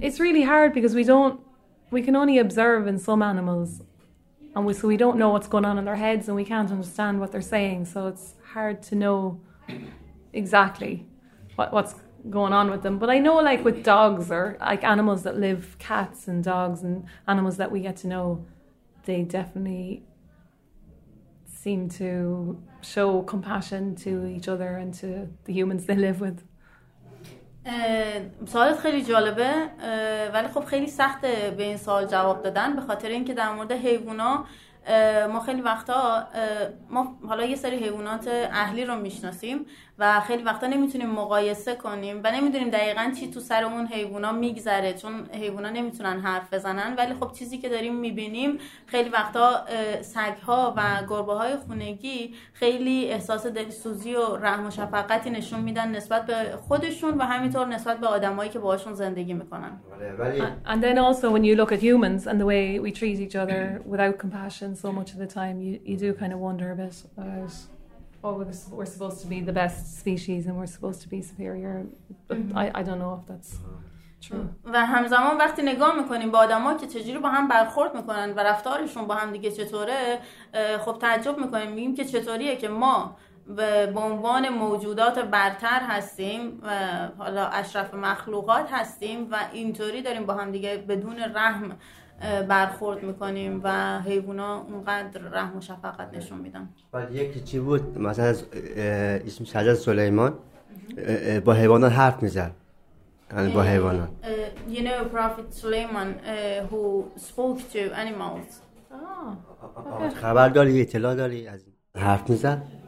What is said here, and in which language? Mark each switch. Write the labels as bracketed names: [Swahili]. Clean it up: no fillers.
[English] It's really hard because we can only observe in some animals, and so we don't know what's going on in their heads and we can't understand what they're saying, so it's hard to know exactly what's going on with them. But I know, like with dogs or like animals that live, cats and dogs and animals that we get to know, they definitely seem to show compassion to each other and to the humans they live with. [Persian] سوالت خیلی جالبه ولی خب خیلی سخته به این سوال جواب دادن، به خاطر اینکه در مورد حیوانا ما خیلی وقتا ما حالا یه سری حیوانات اهلی رو میشناسیم و خیلی وقتا نمیتونیم مقایسه کنیم و نمیدونیم دقیقاً چی تو سر اون حیوانا میگذره، چون حیوانا نمیتونن حرف بزنن. ولی خب چیزی که داریم میبینیم خیلی وقتا سگ‌ها و گربه‌های خونگی خیلی احساس دلسوزی و رحم و شفقتی نشون میدن نسبت به خودشون و همینطور نسبت به آدمایی که باهاشون زندگی میکنن. [English] And then also when you look at humans and the way we treat each other without compassion so much of the time, you do kind of wonder a bit about we're supposed to be the best species and we're supposed to be superior. I don't know if that's true. [Persian] و همزمان وقتی نگاه میکنیم با آدم ها که چجوری با هم برخورد میکنن و رفتارشون با هم دیگه چطوره، خب تعجب میکنیم، میگیم که چطوریه که ما به عنوان موجودات برتر هستیم و حالا اشرف مخلوقات هستیم و اینطوری داریم با هم دیگه بدون رحم برخورد میکنیم و حیوانا اونقدر رحم و شفقت نشون میدن. بعد یکی چی بود مثلا اسمش حضرت سلیمان با حیوانات حرف میزد، یعنی با حیوانات. [English] You know Prophet Suleiman who spoke to animals. [Persian] خبر داری، اطلاع داری از حرف میزد؟